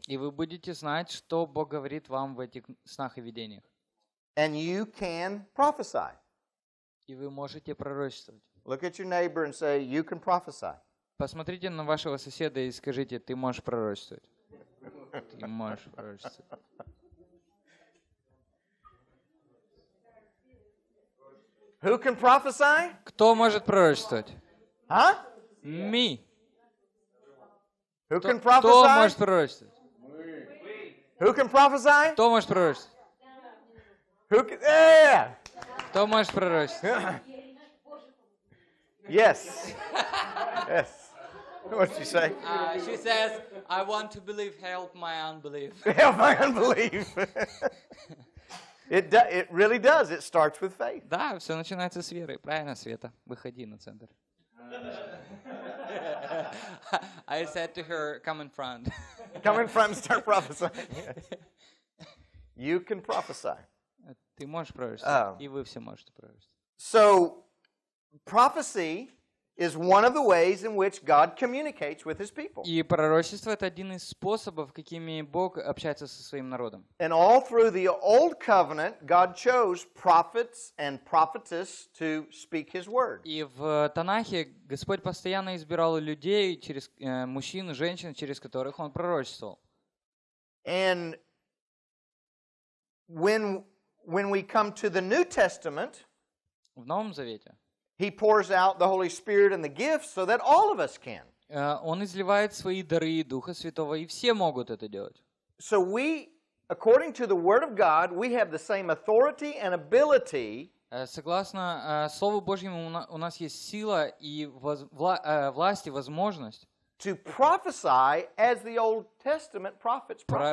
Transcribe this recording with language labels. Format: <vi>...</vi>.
<ru>И вы будете знать, что Бог говорит вам в этих снах и видениях.</ru> <en>And you can prophesy.</en> <ru>И вы можете пророчествовать.</ru> <en>Look at your neighbor and say, you can prophesy.</en> <ru>Посмотрите на вашего соседа и скажите, ты можешь пророчествовать. Ты можешь пророчествовать.</ru> <en>Who can prophesy?</en> <ru>Кто может пророчествовать? А?</ru> <en>Me. Who can prophesy?</en> <ru>Кто может пророчествовать?</ru> <en>Who can prophesy?</en> <ru>Кто может пророчествовать?</ru> <en>Who can, yeah.</en> <ru>Кто может пророчествовать?</ru> <en>Yes. Yes. What did she say? She says, I want to believe, help my unbelief. Help my unbelief. It really does. It starts with faith.</en> <ru>Да, все начинается с веры. Правильно, Света? Выходи на центр.</ru> <en>I said to her, come in front. Come in front and start prophesying. You can prophesy.</en> <ru>Ты можешь пророчествовать. И вы все можете пророчествовать.</ru> <en>So, prophecy is one of the ways in which God communicates with his people.</en> <ru>И пророчество — это один из способов, какими Бог общается со своим народом.</ru> <en>And all through the Old Covenant, God chose prophets and prophetess to speak his word.</en> <ru>И в Танахе Господь постоянно избирал людей через мужчин, женщин, через которых он пророчествовал.</ru> <en>And when we come to the New Testament,</en> <ru>в Новом Завете,</ru> <en>He pours out the Holy Spirit and the gifts so that all of us can.</en> <ru>Он изливает свои дары и Духа Святого, и все могут это делать.</ru> <en>So we, according to the Word of God, we have the same authority and ability.</en> <ru>Согласно Слову Божьему, у нас есть сила и власть и возможность.</ru> <en>To prophesy as the Old Testament prophets prophesied.</en>